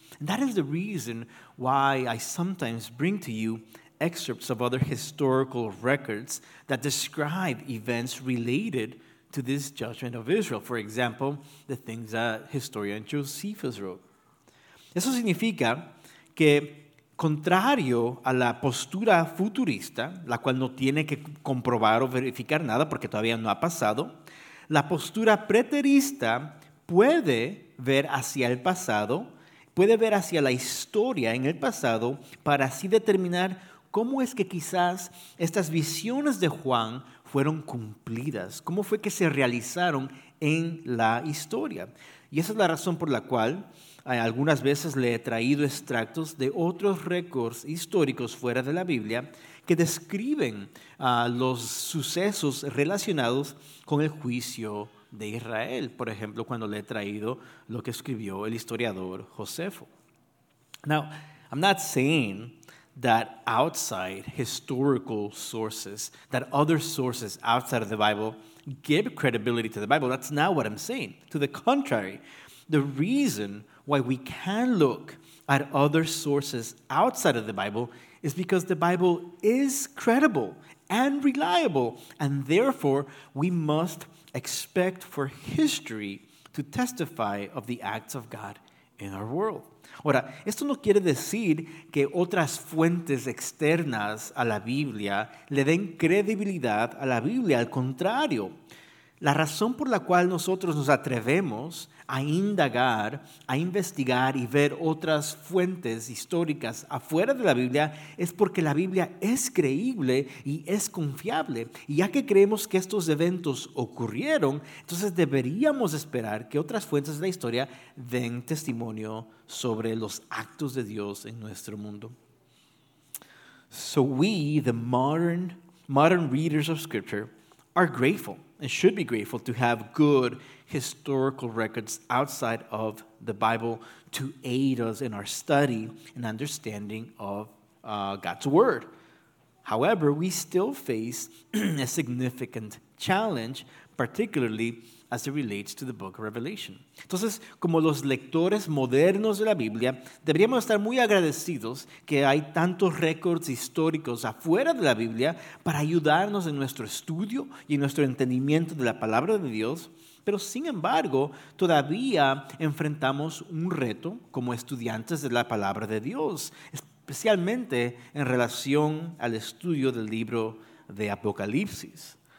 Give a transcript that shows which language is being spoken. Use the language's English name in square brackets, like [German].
[English] And that is the reason why I sometimes bring to you excerpts of other historical records that describe events related to this judgment of Israel. For example, the things that historian Josephus wrote. [Spanish] Eso significa que, contrario a la postura futurista, la cual no tiene que comprobar o verificar nada porque todavía no ha pasado, la postura preterista puede ver hacia el pasado, puede ver hacia la historia en el pasado para así determinar cómo es que quizás estas visiones de Juan fueron cumplidas? ¿Cómo fue que se realizaron en la historia? Y esa es la razón por la cual algunas veces le he traído extractos de otros récords históricos fuera de la Biblia que describen los sucesos relacionados con el juicio de Israel. Por ejemplo, cuando le he traído lo que escribió el historiador Josefo. [English] Now, I'm not saying that outside historical sources, that other sources outside of the Bible give credibility to the Bible. That's not what I'm saying. To the contrary, the reason why we can look at other sources outside of the Bible is because the Bible is credible and reliable, and therefore we must expect for history to testify of the acts of God in our world. [Spanish] Ahora, esto no quiere decir que otras fuentes externas a la Biblia le den credibilidad a la Biblia. Al contrario, la razón por la cual nosotros nos atrevemos a indagar, a investigar y ver otras fuentes históricas afuera de la Biblia es porque la Biblia es creíble y es confiable. Y ya que creemos que estos eventos ocurrieron, entonces deberíamos esperar que otras fuentes de la historia den testimonio sobre los actos de Dios en nuestro mundo. [English] So we, the modern readers of Scripture, are grateful and should be grateful to have good historical records outside of the Bible to aid us in our study and understanding of God's Word. However, we still face a significant challenge, particularly as it relates to the book of Revelation. [Spanish] Entonces, como los lectores modernos de la Biblia, deberíamos estar muy agradecidos que hay tantos récords históricos afuera de la Biblia para ayudarnos en nuestro estudio y en nuestro entendimiento de la palabra de Dios. Pero sin embargo, todavía enfrentamos un reto como estudiantes de la palabra de Dios, especialmente en relación al estudio del libro de Apocalipsis.